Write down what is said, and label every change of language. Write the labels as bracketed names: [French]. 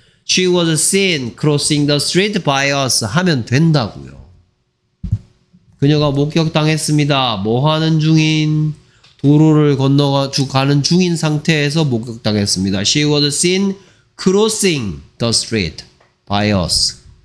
[English] She was seen crossing the street by us [Korean] 하면 된다고요. 그녀가 목격당했습니다. 뭐 하는 중인? 도로를 건너가 가는 중인 상태에서 목격당했습니다. [English] She was seen crossing the street by us.